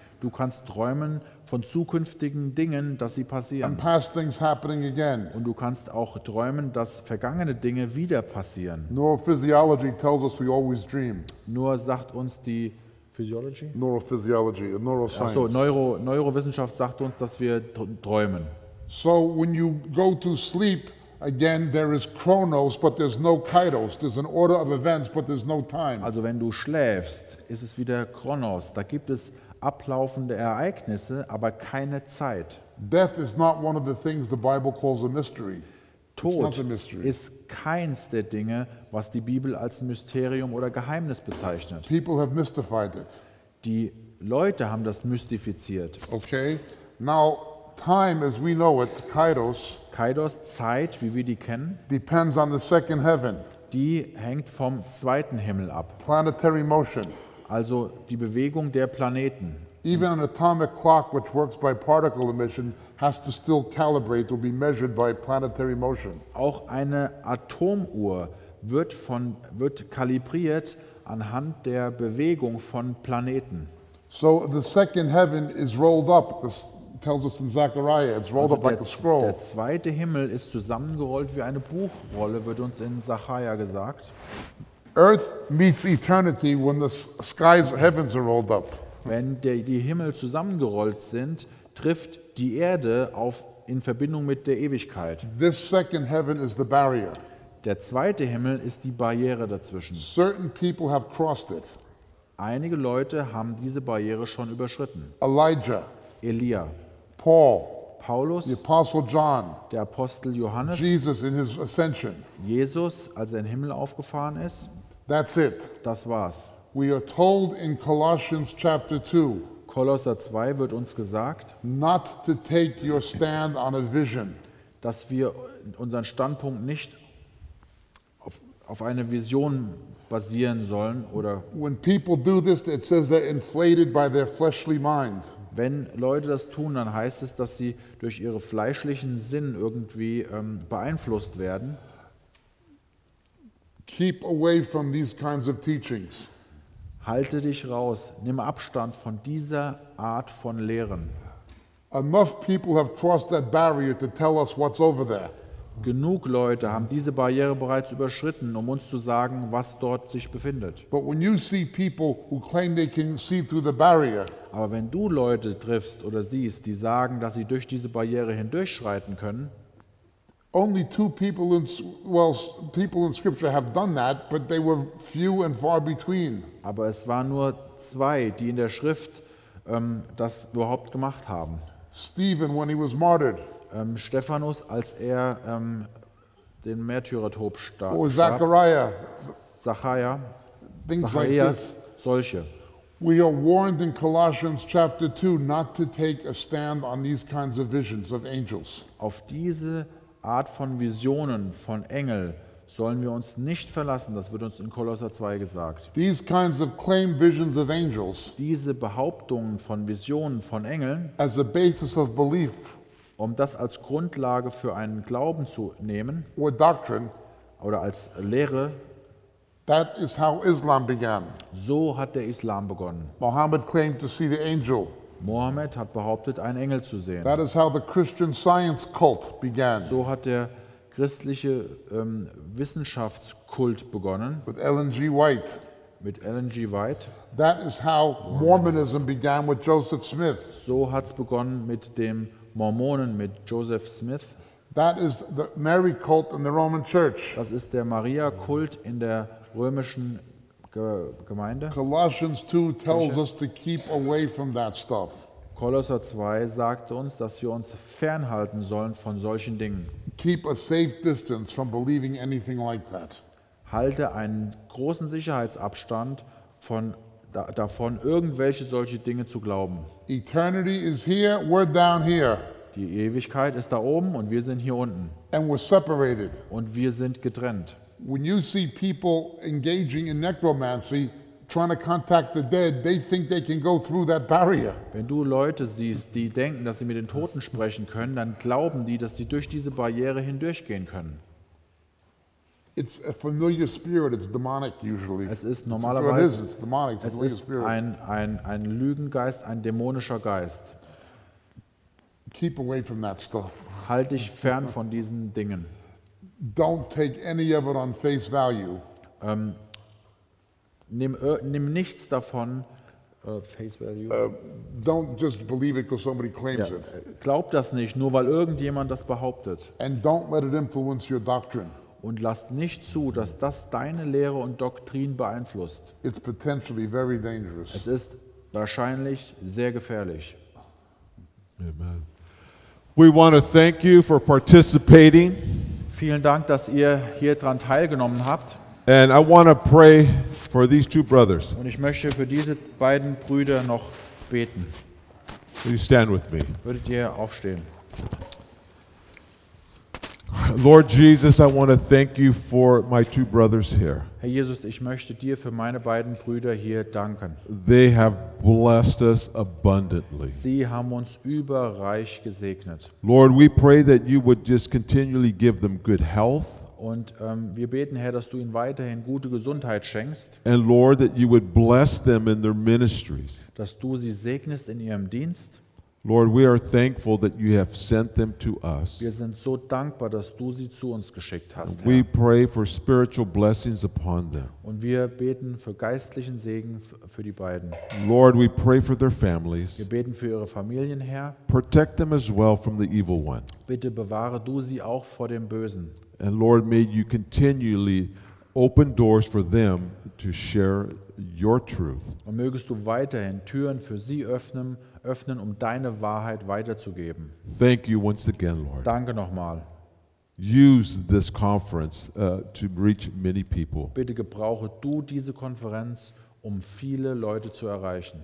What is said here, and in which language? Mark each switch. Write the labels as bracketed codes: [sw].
[de] Du kannst träumen von zukünftigen Dingen, dass sie passieren. [en] And past things happening again. [de] Und du kannst auch träumen, dass vergangene Dinge wieder passieren. [en] Neurophysiology tells us we always dream. [de] Nur sagt uns die Physiology? [en] Neurophysiology, neuroscience. [de] Ach so, Neurowissenschaft sagt uns, dass wir träumen. [en] So when you go to sleep again, there is chronos, but there's no kairos. There's an order of events, but there's no time. [de] Also wenn du schläfst, ist es wieder chronos. Da gibt es ablaufende Ereignisse, aber keine Zeit. [en] Death is not one of the things the Bible calls a mystery. [de] Tod ist keins der Dinge, was die Bibel als Mysterium oder Geheimnis bezeichnet. [en] People have mystified it. [de] Die Leute haben das mystifiziert. [en] Okay. Now time as we know it, kairos, [de] Zeit, wie wir die kennen, [en] depends on the second heaven. [de] Die hängt vom zweiten Himmel ab. [en] Planetary motion. [de] Also die Bewegung der Planeten. [en] Even an atomic clock, which works by particle emission, has to still calibrate to be measured by planetary motion. [de] Auch eine Atomuhr wird kalibriert anhand der Bewegung von Planeten. [en] So the second heaven is rolled up. This tells us in Zechariah, it's rolled up like a scroll. [de] Der zweite Himmel ist zusammengerollt wie eine Buchrolle, wird uns in Zechariah gesagt. [en] Earth meets eternity when the skies, heavens are rolled up. [de] Wenn die Himmel zusammengerollt sind, trifft die Erde in Verbindung mit der Ewigkeit. [en] This second heaven is the barrier. [de] Der zweite Himmel ist die Barriere dazwischen. [en] Certain people have crossed it. [de] Einige Leute haben diese Barriere schon überschritten. [en] Elijah. [de] Elia. [en] Paul. [de] Paulus, [en] the Apostle John, [de] der Apostel Johannes, [en] Jesus in his ascension, [de] Jesus, als er in den Himmel aufgefahren ist. [en] That's it. [de] Das war's. [en] We are told in Colossians chapter 2, [de] Kolosser 2 wird uns gesagt, [en] not to take your stand on a vision, [de] dass wir unseren Standpunkt nicht auf eine Vision basieren sollen oder [en] when people do this, it says they're inflated by their fleshly mind. [de] Wenn Leute das tun, dann heißt es, dass sie durch ihre fleischlichen Sinn irgendwie beeinflusst werden. [en] Keep away from these kinds of teachings. [de] Halte dich raus, nimm Abstand von dieser Art von Lehren. [en] Enough people have crossed that barrier to tell us what's over there. [de] Genug Leute haben diese Barriere bereits überschritten, um uns zu sagen, was dort sich befindet. [en] But when you see people who claim they can see through the barrier, [de] aber wenn du Leute triffst oder siehst, die sagen, dass sie durch diese Barriere hindurchschreiten können, [en] only two people in people in scripture have done that, but they were few and far between. [de] Aber es waren nur zwei, die in der Schrift das überhaupt gemacht haben. [en] Stephen, when he was martyred. [de] Stephanus, als er den Märtyrertod starb. [en] Oh, Zachariah. [de] Zacharias, like solche. [en] We are warned in Colossians chapter 2 not to take a stand on these kinds of visions of angels. [de] Auf diese Art von Visionen von Engel sollen wir uns nicht verlassen, das wird uns in Kolosser 2 gesagt. [en] These kinds of claim visions of angels. [de] Diese Behauptungen von Visionen von Engeln [en] as a basis of belief. [de] Um das als Grundlage für einen Glauben zu nehmen, [en] or doctrine, [de] oder als Lehre, [en] that is how Islam began. [de] So hat der Islam begonnen. [en] Mohammed claimed to see the angel. [de] Mohammed hat behauptet, einen Engel zu sehen. [en] That is how the Christian Science cult began. [de] So hat der christliche Wissenschaftskult begonnen. [en] With Ellen G. White. [de] Mit Ellen G. White. [en] That is how Mormonism began with Joseph Smith. [de] So hat's begonnen mit dem Mormonen mit Joseph Smith. [en] That is the Mary cult in the Roman Church. [de] Das ist der Maria-Kult in der römischen Gemeinde. [en] Colossians 2 tells us to keep away from that stuff. [de] Kolosser 2 sagt uns, dass wir uns fernhalten sollen von solchen Dingen. [en] Keep a safe distance from believing anything like that. [de] Halte einen großen Sicherheitsabstand davon, irgendwelche solche Dinge zu glauben. [en] Eternity is here, we're down here. [de] Die Ewigkeit ist da oben und wir sind hier unten. [en] And we're separated. [de] Und wir sind getrennt. [en] When you see people engaging in necromancy, trying to contact the dead, they think they can go through that barrier. [de] Wenn du Leute siehst, die denken, dass sie mit den Toten sprechen können, dann glauben die, dass sie durch diese Barriere hindurchgehen können. [en] It's a familiar spirit, it's demonic usually. [de] Es ist normalerweise [en] it's demonic, it's [de] es ist ein Lügengeist, ein dämonischer Geist. [en] Keep away from that stuff. [de] Halt dich fern von diesen Dingen. [en] Don't take any of it on face value. [de] Nimm nichts davon [en] face value. Don't just believe it because somebody claims it. [de] Glaub das nicht, nur weil irgendjemand das behauptet. [en] And don't let it influence your doctrine. [de] Und lass nicht zu, dass das deine Lehre und Doktrin beeinflusst. [en] It's potentially very dangerous. [de] Es ist wahrscheinlich sehr gefährlich. [en] Amen. We want to thank you for participating. [de] Vielen Dank, dass ihr hier dran teilgenommen habt. [en] And I want to pray for these two brothers. [de] Und ich möchte für diese beiden Brüder noch beten. [en] Will you stand with me? [de] Würdet ihr aufstehen? [en] Lord Jesus, I want to thank you for my two brothers here. [de] Herr Jesus, ich möchte dir für meine beiden Brüder hier danken. [en] They have blessed us abundantly. [de] Sie haben uns überreich gesegnet. [en] Lord, we pray that you would just continually give them good health. [de] Und wir beten, Herr, dass du ihnen weiterhin gute Gesundheit schenkst. [en] And Lord, that you would bless them in their ministries. [de] Dass du sie segnest in ihrem Dienst. [en] Lord, we are thankful that you have sent them to us. [de] Wir sind so dankbar, dass du sie zu uns geschickt hast, Herr. [en] We pray for spiritual blessings upon them. [de] Und wir beten für geistlichen Segen für die beiden. [en] Lord, we pray for their families. [de] Wir beten für ihre Familien, Herr. [en] Protect them as well from the evil one. [de] Bitte bewahre du sie auch vor dem Bösen. [en] And Lord, may you continually open doors for them to share your truth. [de] Und mögest du weiterhin Türen für sie öffnen, um deine Wahrheit weiterzugeben. [en] Thank you once again, Lord. [de] Danke nochmal. [en] Use this conference to reach many people. [de] Bitte gebrauche du diese Konferenz, um viele Leute zu erreichen.